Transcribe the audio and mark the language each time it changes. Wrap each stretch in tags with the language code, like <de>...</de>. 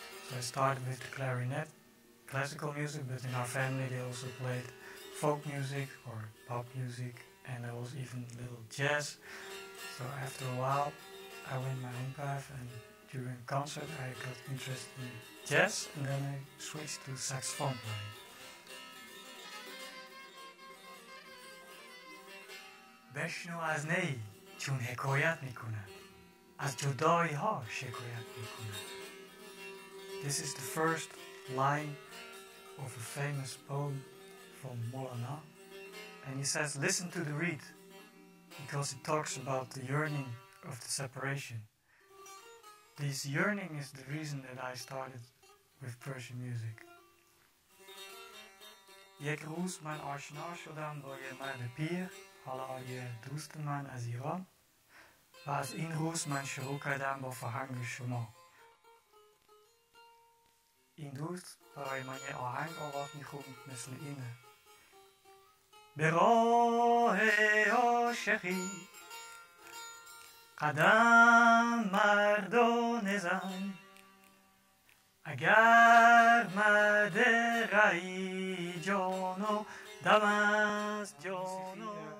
<en>So I started with the clarinet, classical music, but in our family they also played folk music or pop music, and there was even a little jazz. So after a while I went my own path, and during a concert I got interested in jazz, and then I switched to saxophone playing.</en> <fa>بشنو از نی چون حکایت میکنه از جدایی ها شکایت میکنه.</fa> <en>This is the first line of a famous poem from Molana, and he says, listen to the reed, because it talks about the yearning of the separation. This yearning is the reason that I started with Persian music.</en> <fa>یک روز من آشنا شدم با یه مرد پیر حالا یه دوست من از ایران و از این روز من شروع کردم با فرهنگ شما. این دوست برای من یه آهنگ آواز میخوند مثل اینه: به راه عاشقی قدم مرد و نزن، اگر مرد غیی جانو دم از جانو.</fa>